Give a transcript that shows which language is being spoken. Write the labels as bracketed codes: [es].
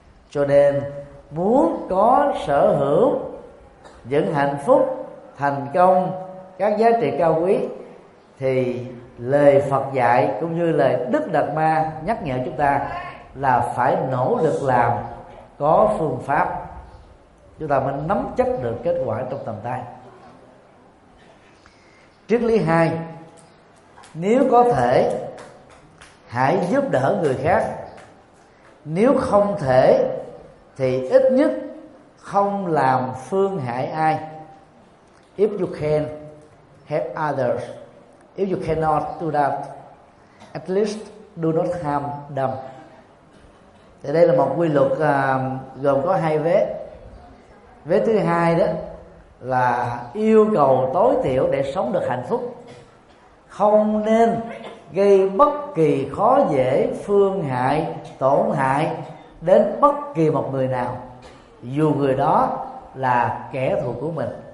[vi] Cho nên muốn có sở hữu những hạnh phúc, thành công, các giá trị cao quý, thì lời Phật dạy cũng như lời Đức Đạt Ma nhắc nhở chúng ta là phải nỗ lực làm, có phương pháp, chúng ta mới nắm chắc được kết quả trong tầm tay. Triết lý 2: nếu có thể hãy giúp đỡ người khác, nếu không thể thì ít nhất không làm phương hại ai. [en] If you can help others, if you cannot do that, at least do not harm them. [vi] Thì đây là một quy luật gồm có 2 vế. Vế thứ 2 đó là yêu cầu tối thiểu để sống được hạnh phúc: không nên gây bất kỳ khó dễ, phương hại, tổn hại đến bất kỳ một người nào, dù người đó là kẻ thù của mình.